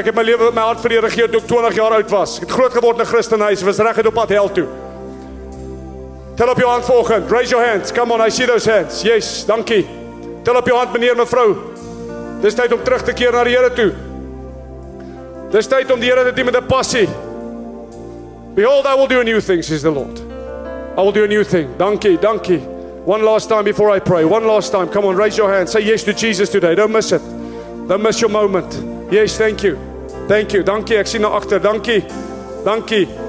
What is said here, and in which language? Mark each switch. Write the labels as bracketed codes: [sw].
[af] Ek het my lewe, my hart vir die Here gegee toe ek 20 jaar oud was. Ek het groot geword in 'n Christenhuis. Was reg uit op pad hel toe. Tel op jou hand volgende. [en] Raise your hands. Come on, I see those hands. Yes, [af] dankie. Tel op jou hand, meneer, mevrou. Dis tyd om terug te keer na die Here toe. Dis tyd om die Here te dien met 'n passie. [en] Behold, I will do a new thing, says the Lord. I will do a new thing. Donkey, donkey. One last time before I pray. One last time. Come on, raise your hand. Say yes to Jesus today. Don't miss it. Don't miss your moment. Yes, thank you. Thank you. [af] Dankie. Ek sien na agter. Dankie. Dankie.